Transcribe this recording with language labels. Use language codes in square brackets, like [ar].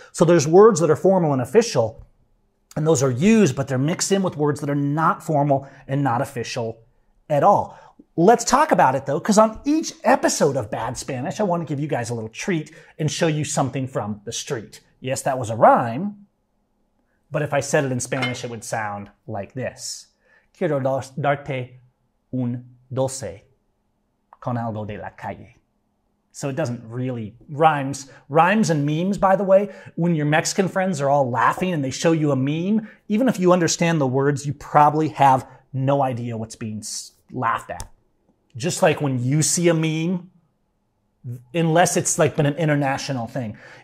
[en] So there's words that are formal and official. And those are used, but they're mixed in with words that are not formal and not official at all. Let's talk about it, though, because on each episode of Bad Spanish, I want to give you guys a little treat and show you something from the street. Yes, that was a rhyme, but if I said it in Spanish, it would sound like this. [es] Quiero darte un dulce con algo de la calle. [en] So it doesn't really rhymes. Rhymes and memes, by the way, when your Mexican friends are all laughing and they show you a meme, even if you understand the words, you probably have no idea what's being laughed at. Just like when you see a meme, unless it's like been an international thing.